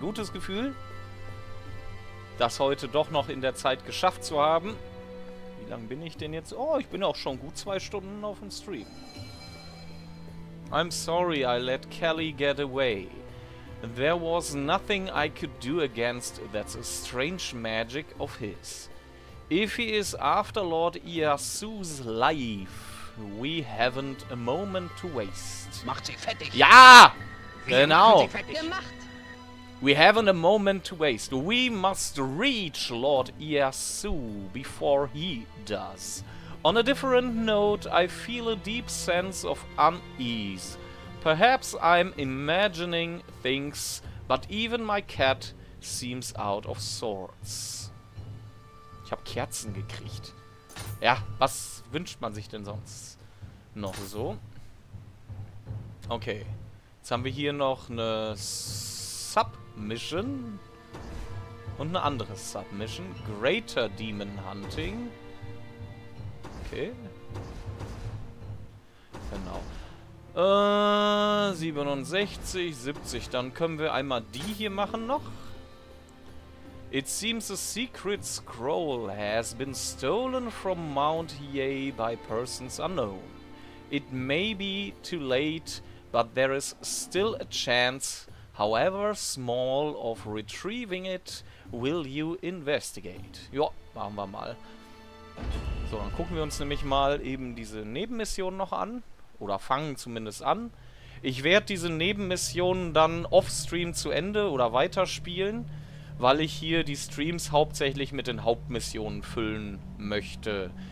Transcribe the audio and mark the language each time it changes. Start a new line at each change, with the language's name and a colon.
German: Gutes Gefühl, das heute doch noch in der Zeit geschafft zu haben. Wie lange bin ich denn jetzt? Oh, ich bin auch schon gut 2 Stunden auf dem Stream.
English: I'm sorry, I let Kelly get away. There was nothing I could do against that strange magic of his. If he is after Lord Iyasu's life, we haven't a moment to waste.
German: Macht sie fertig! Ja! Genau!
English: We haven't a moment to waste. We must reach Lord Iyasu before he does. On a different note, I feel a deep sense of unease. Perhaps I'm imagining things, but even my cat seems out of sorts.
German: Ich habe Kerzen gekriegt. Ja, was wünscht man sich denn sonst noch so? Okay, jetzt haben wir hier noch eine Submission und eine andere Submission.
English: Greater Demon Hunting. Okay.
German: Genau. 67, 70. Dann können wir einmal die hier machen noch.
English: It seems a secret scroll has been stolen from Mount Yei by persons unknown. It may be too late, but there is still a chance, however small, of retrieving it. Will you investigate?
German: Jo, machen wir mal. So, dann gucken wir uns nämlich mal eben diese Nebenmission noch an. Oder fangen zumindest an. Ich werde diese Nebenmissionen dann offstream zu Ende oder weiterspielen, weil ich hier die Streams hauptsächlich mit den Hauptmissionen füllen möchte.